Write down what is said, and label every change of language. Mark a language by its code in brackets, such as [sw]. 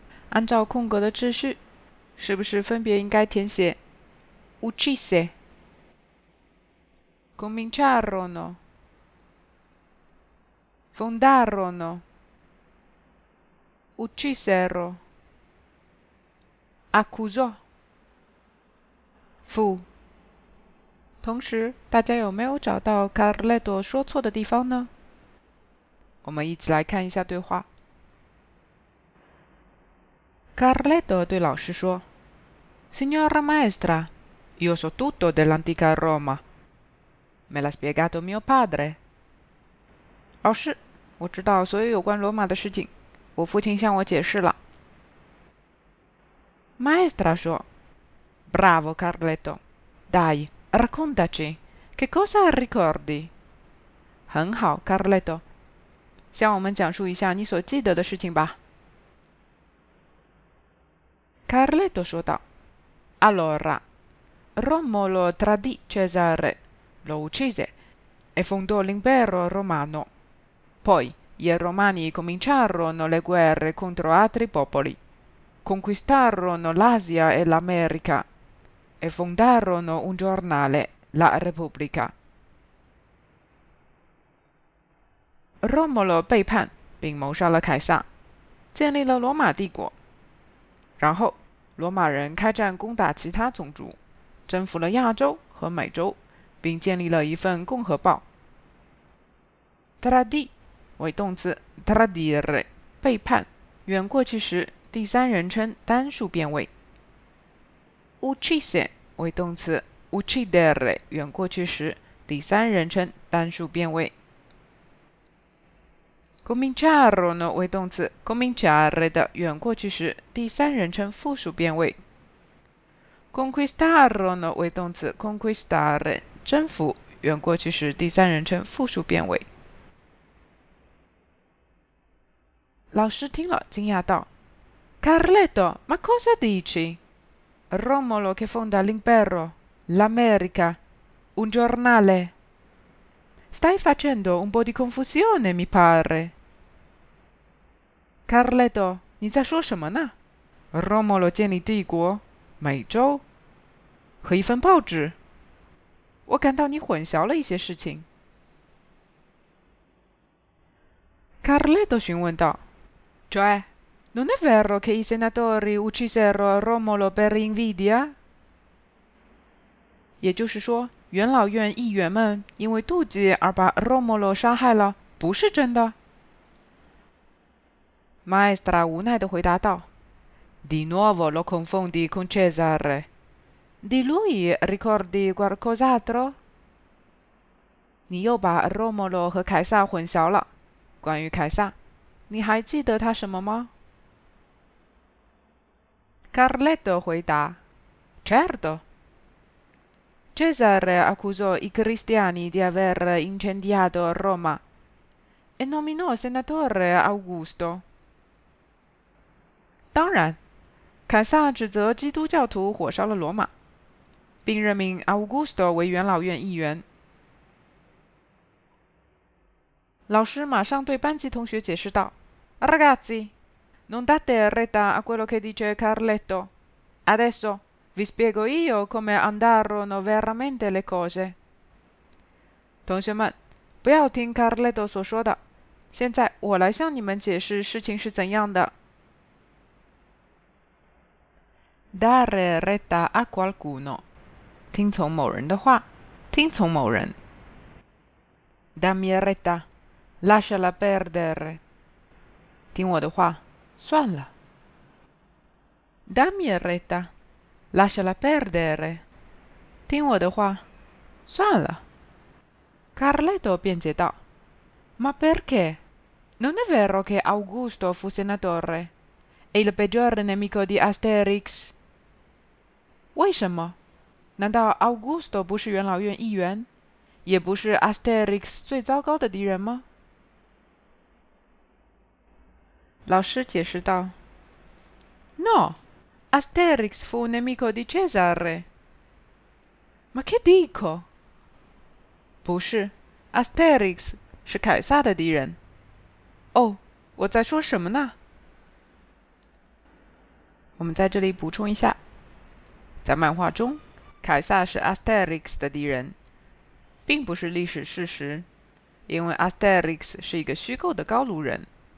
[zh] 按照空格的秩序，是不是分别应该填写 [it] uccise、 cominciarono、 fondarono、 uccisero、 accusò、 fu。 [zh] 同时，大家有没有找到 Carletto 说错的地方呢？我们一起来看一下对话。 [it] Carletto [zh] 对老师说， [it] Signora maestra, io so tutto dell'antica Roma. Me l'ha spiegato mio padre. [zh] 老师，我知道所有有关罗马的事情，我父亲向我解释了。 [it] Maestra 说， Bravo Carletto. Dai, raccontaci. Che cosa ricordi? [zh] 很好 Carletto. 向我们讲述一下你所记得的事情吧。 [it] Carletto [zh] 说道， [it] Allora, Romolo tradì Cesare, lo uccise e fondò l'impero romano. Poi i romani cominciarono le guerre contro altri popoli, conquistarono l'Asia e l'America e fondarono un giornale, la Repubblica. [zh] Romolo 背叛并谋杀了凯撒，建立了罗马帝国。然后罗马人开战攻打其他种族，征服了亚洲和美洲，并建立了一份共和报。 Tradì 为动词 tradire 背叛，原过去时第三人称单数变位。 Uccise 为动词 uccidere 原过去时第三人称单数变位。 Cominciarono 为动词 cominciare 的原过去时第三人称复数变位。 Conquistarono 为动词 conquistare 征服原过去时第三人称复数变位。老师听了惊讶道， [it] Carletto, ma cosa dici? Romolo che fonda l'impero, l'America, un giornale. Stai facendo un po' di confusione, mi pare. [zh] Carletto, 你在说什么呢？Romolo 建立帝国，美洲和一份报纸。我感到你混淆了一些事情。 [it] Carletto [zh] 询问道， [it] Cioè, non è vero che i senatori uccisero Romolo per invidia? [zh] 也就是说，元老院议员们因为妒忌而把 Romolo 杀害了，不是真的。 [it] Maestra [zh] 无奈地回答道， [it] Di nuovo lo confondi con Cesare. Di lui ricordi qualcos'altro? [zh] 你又把 Romolo 和凯撒混淆了。关于凯撒，你还记得他什么吗？ [it] Carletto [zh] 回答， [it] Certo. Cesare accusò i cristiani di aver incendiato Roma e nominò senatore Augusto. [zh] 当然，凯撒指责基督教徒火烧了罗马，并任命 Augusto 为元老院议员。老师马上对班级同学解释道 [it] ：“Ragazzi, non date retta a quello che dice Carletto. Adesso vi spiego io come andarono veramente le cose。” [zh] 同学们，不要听 Carletto 所说的，现在我来向你们解释事情是怎样的。 [it] Dare retta a qualcuno， [zh] 听从某人的话，听从某人。 [it] Dammi retta。 Lasciala perdere， [zh] 听我的话，算了。 [it] Dammi retta， lasciala perdere， [zh] 听我的话，算了。 Carletto 辩解道 [it] ：“Ma perché？ Non è vero che Augusto fu senatore e il peggior nemico di Asterix？ [zh] 为什么？难道 Augusto 不是元老院议员，也不是 Asterix 最糟糕的敌人吗？” 老师解释道 [it] ：“No, Asterix fu un nemico di Cesare. Ma che dico？ [zh] 不是 ，Asterix 是凯撒的敌人。哦，我在说什么呢？我们在这里补充一下，在漫画中，凯撒是 Asterix 的敌人，并不是历史事实，因为 Asterix 是一个虚构的高卢人。”